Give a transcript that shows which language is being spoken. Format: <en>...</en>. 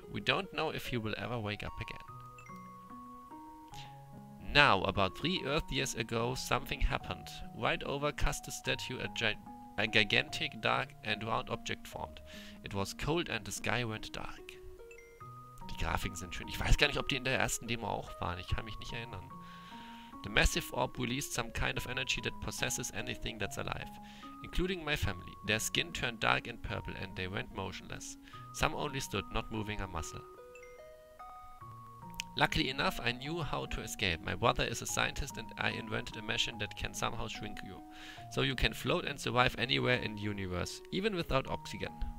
<en>We don't know if he will ever wake up again. Now, about 3 Earth years ago, something happened. Right over Custos' statue, a gigantic dark and round object formed. It was cold and the sky went dark.</en> <de>Die Grafiken sind schön. Ich weiß gar nicht, ob die in der ersten Demo auch waren. Ich kann mich nicht erinnern.</de> <en>The massive orb released some kind of energy that possesses anything that's alive, including my family. Their skin turned dark and purple and they went motionless. Some only stood, not moving a muscle. Luckily enough, I knew how to escape. My brother is a scientist and I invented a machine that can somehow shrink you, so you can float and survive anywhere in the universe, even without oxygen.</en>